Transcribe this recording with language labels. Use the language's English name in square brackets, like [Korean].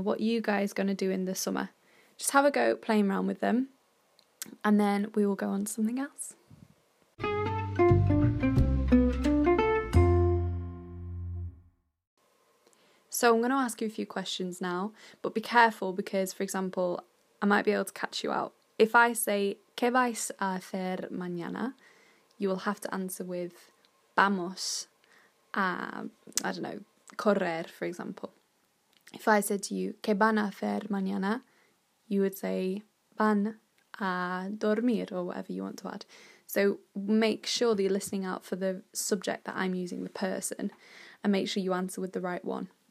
[English] What are you guys going to do in the summer? Just have a go playing around with them. And then we will go on to something else. So I'm going to ask you a few questions now, but be careful because, for example, I might be able to catch you out. If I say, [Spanish] ¿qué vais a hacer mañana? [English] You will have to answer with, [Spanish] vamos a, [English] I don't know, correr, for example. If I said to you, [Spanish] ¿qué van a hacer mañana? [English] You would say, [Spanish] van a dormir, [English] or whatever you want to add. So make sure that you're listening out for the subject that I'm using, the person, and make sure you answer with the right one.